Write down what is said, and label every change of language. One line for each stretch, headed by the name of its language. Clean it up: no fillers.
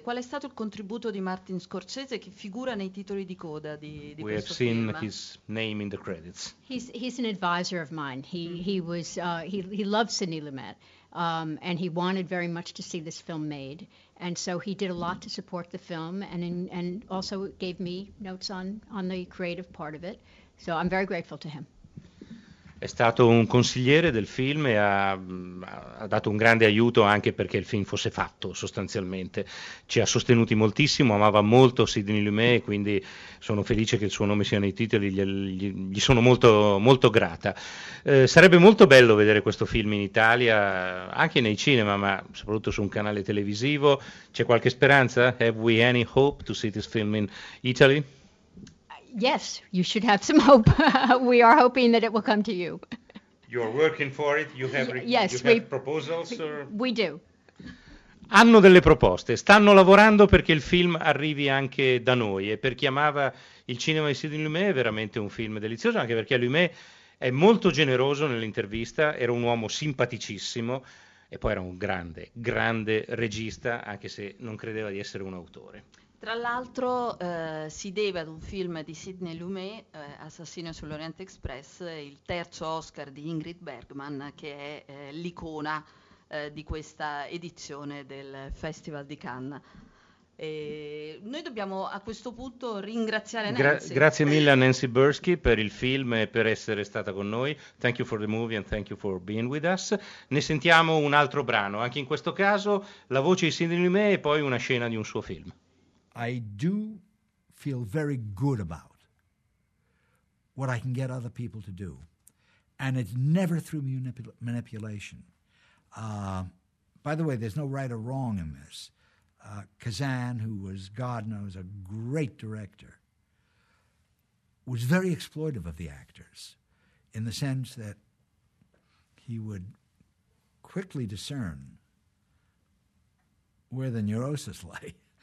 Italian: Qual è stato il contributo di Martin Scorsese che figura nei titoli di coda di questo film?
English: We have seen his name in the credits. He's an advisor of mine. He loves Sidney Lumet, and he wanted very much to see this film made. And so he did a lot to support the film and also gave me notes on the creative part of it. So I'm very grateful to him.
Italian: è stato un consigliere del film e ha dato un grande aiuto anche perché il film fosse fatto sostanzialmente. Ci ha sostenuti moltissimo, amava molto Sidney Lumet, quindi sono felice che il suo nome sia nei titoli, gli sono molto, molto grata. Sarebbe molto bello vedere questo film in Italia, anche nei cinema, ma soprattutto su un canale televisivo. C'è qualche speranza?
English: Have we any hope to see this film in Italy? Yes, you should have some hope. We are hoping that it will come to you. You are working for it? You have, yes, you have proposals? We do.
Italian: Hanno delle proposte, stanno lavorando perché il film arrivi anche da noi, e per chi amava il cinema di Sidney Lumet è veramente un film delizioso, anche perché Lumet è molto generoso nell'intervista, era un uomo simpaticissimo e poi era un grande, grande regista, anche se non credeva di essere un autore. Tra l'altro si deve ad un film di Sidney Lumet, Assassino sull'Orient Express, il terzo Oscar di Ingrid Bergman, che è l'icona di questa edizione del Festival di Cannes. E noi dobbiamo a questo punto ringraziare Nancy. Grazie mille a Nancy Bersky per il film e per essere stata con noi.
English: Thank you for the movie and thank you for being with us.
Italian: Ne sentiamo un altro brano, anche in questo caso la voce di Sidney Lumet e poi una scena di un suo film.
English: I do feel very good about what I can get other people to do. And it's never through manipulation. By the way, there's no right or wrong in this. Kazan, who was, God knows, a great director, was very exploitive of the actors in the sense that he would quickly discern where the neurosis lay.